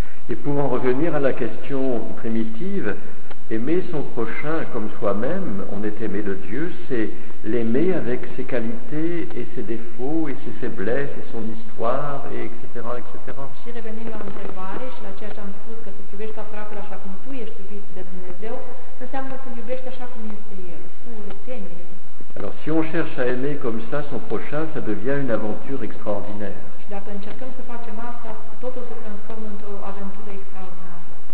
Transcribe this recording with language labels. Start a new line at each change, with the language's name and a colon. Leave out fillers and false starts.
French: Et pour en revenir à la question primitive, aimer son prochain comme soi-même, on est aimé de Dieu, c'est l'aimer avec ses qualités et ses défauts et ses faiblesses et son histoire, et etc. etc.
Romanian: Și revenim la întrebare și la ceea ce am spus, că te iubești aproape așa cum tu ești iubit de Dumnezeu, înseamnă să-l iubești așa cum este el, cu urâtenie.
French: Alors si on cherche à aimer comme ça son prochain, ça devient une aventure extraordinaire.
Romanian: Și dacă încercăm să facem asta, totul se transformă într-o aventură extraordinară.